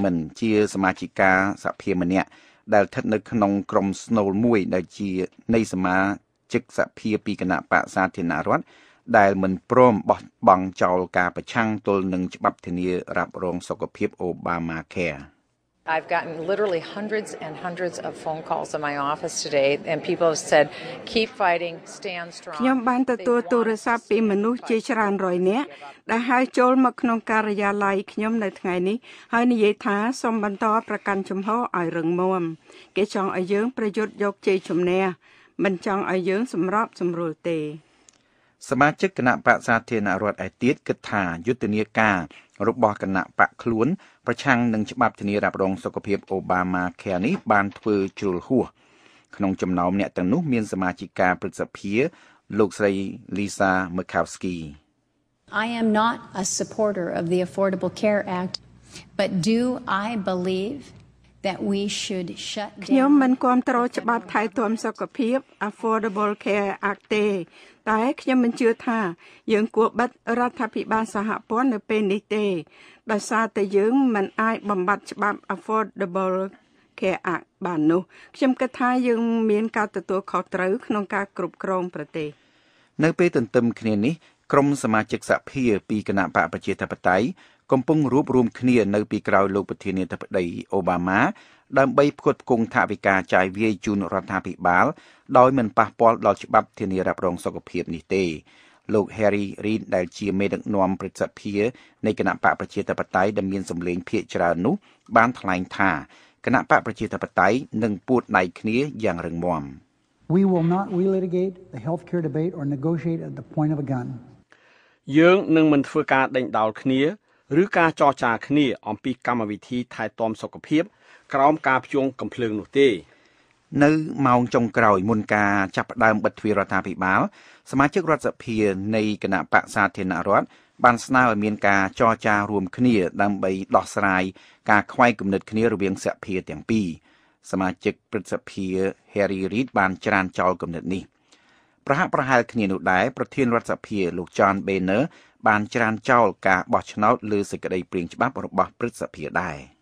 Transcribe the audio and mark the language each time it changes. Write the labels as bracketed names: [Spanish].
[Khmer] ព្រឹទ្ធសភាសហរដ្ឋអាមេរិកបានអនុម័តលើសេចក្តីព្រៀងច្បាប់អំពីថាវិការចាយវាយរបស់ខ្លួនមួយដែលមិនបានដាក់លក្ខខណ្ឌអ្វីអំពីច្បាប់ធានារ៉ាប់រងសុខភាពអូបាម៉ាខែឬអំពីរឿងឯទៀតទេប៉ុន្តែក្រុមមេដឹកនាំនៃគណៈបក្សសាធារណរដ្ឋនៅក្នុងរដ្ឋសភាមិនព្រមយកសំណើព្រៀងច្បាប់នេះមកជជែកដេញដោលពេញអង្គដើម្បីធ្វើការបោះឆ្នោតឡើយលោកស្រី Michelle Bachmann ជាសមាជិកសភាមេញដែលស្ថិតនៅក្នុងក្រុមស្នូលមួយដែលជានៃសមាជិកសភាមេញ [English] I've gotten literally hundreds and hundreds of phone calls in my office today and people have said keep fighting stand strong [Khmer] ខ្ញុំបានទទួលទូរស័ព្ទពីមនុស្សជាច្រើនរយនាក់ដែលហៅចូលមកក្នុងការិយាល័យខ្ញុំនៅថ្ងៃនេះហើយនិយាយថាសូមបន្តប្រកាន់ជំហរឲ្យរឹងមាំគេចង់ឲ្យយើងប្រយុទ្ធយកជ័យជំនះមិនចង់ឲ្យយើងសម្របសម្រួលទេ សមាជិកគណៈបក្សសាធារណរដ្ឋឯទៀតគិតថាយុទ្ធនាការរបស់គណៈបក្សខ្លួនប្រឆាំងនឹងច្បាប់ធានារ៉ាប់រងសុខភាពអូបាម៉ាខែនេះបានធ្វើជ្រុលហួសក្នុងចំណោមអ្នកទាំងនោះមានសមាជិកាព្រឹទ្ធសភាលោកស្រីលីសាមខាវស្គី [English] I am not a supporter of the Affordable Care Act but do I believeThat we should shut down. [Khmer] ខ្ញុំមិនគាំទ្រច្បាប់ថែទាំសុខភាព Affordable Care Act ទេតែខ្ញុំមិនជឿថាយើងគួរបិទរដ្ឋាភិបាលសហព័ន្ធនៅពេលនេះទេដោយសារតែយើងមិនអាចបំបត្តិច្បាប់ Affordable Care Act បាននោះខ្ញុំគិតថាយើងមានការទទួលខុសត្រូវក្នុងការគ្រប់គ្រងប្រទេស នៅពេលទន្ទឹមគ្នានេះក្រុមសមាជិកសភាពីគណៈបកប្រជាធិបតេយ្យកំពុងរួបរួមគ្នានៅពីក្រោយលោកប្រធានាធិបតីអូបាម៉ាដើម្បីផ្គត់ផ្គង់ថវិកាចាយវាយជូនរដ្ឋាភិបាលដោយមិនប៉ះពាល់ដល់ច្បាប់ធានារ៉ាប់រងសុខភាពនេះទេលោក Harry Reid ដែលជាមេដឹកនាំប្រតិភូនៃគណៈបកប្រជាធិបតេយ្យដែលមានសម្លេងភាគច្រើននោះបានថ្លែងថាគណៈបកប្រជាធិបតេយ្យនឹងពួតដៃគ្នាយ៉ាងរឹងមាំ [English] We will not relitigate the healthcare debate or negotiate at the point of a gun [Khmer] យើងនឹងមិនធ្វើការដេញដោលគ្នាឬការចរចាគ្នាអំពីកម្មវិធីថែទាំសុខភាពក្រោមការភ្ជួងកំភ្លើងនោះទេ នៅម៉ោងចុងក្រោយមុនការចាប់ផ្ដើមបិទទ្វាររដ្ឋាភិបាលសមាជិករដ្ឋសភានៃគណៈបក្សសាធារណរដ្ឋបានស្នើឲ្យមានការចរចារួមគ្នាដើម្បីដោះស្រាយការខ្វែងគំនិតគ្នារវាងសភាទាំងពីរសមាជិកព្រឹទ្ធសភា Harry Reid បានច្រានចោលគំនិតនេះប្រហាក់ប្រហែលគ្នានោះដែរប្រធានរដ្ឋសភាលោក John Boehner បានច្រានចោលការបោះឆ្នោតលើសេចក្តីព្រៀងច្បាប់របស់ព្រឹទ្ធសភាដែរ